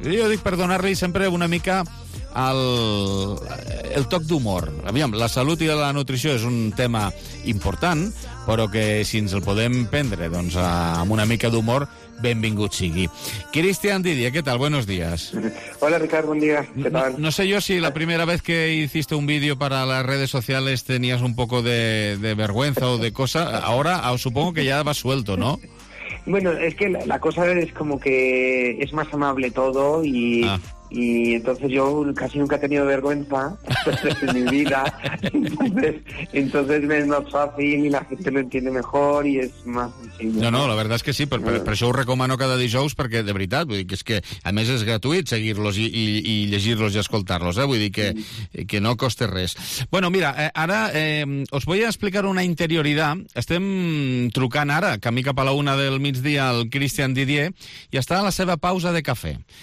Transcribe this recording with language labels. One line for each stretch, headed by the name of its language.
Catalan: Jo dic per donar-li sempre una mica el toc d'humor. Aviam, la salut i la nutrició és un tema important, però que si ens el podem prendre, doncs, amb una mica d'humor, benvingut sigui. Christian Didier, què tal?
Spanish: Buenos días. Hola, Ricard, buen día. ¿Qué tal? No sé yo si la primera vez que hiciste un vídeo para las redes sociales tenías un poco de vergüenza o de cosa. Ahora supongo que ya vas suelto, ¿no? Bueno, es que la cosa es como que es más amable todo y... Ah. Y entonces yo casi nunca he tenido vergüenza en mi vida, entonces me es más fácil y la gente lo entiende mejor y es más sencillo. No, la verdad es que sí,
Catalan: per això ho recomano cada dijous, perquè de veritat, vull dir que és que a més és gratuït seguir-los i llegir-los i escoltar-los, vull dir que no costa res.
Spanish: Bueno, mira,
Catalan: ara
Spanish: os voy a explicar una interioridad.
Catalan: Estem trucant ara, camí cap a la una del migdia, al Christian Didier, i està a la seva pausa de cafè.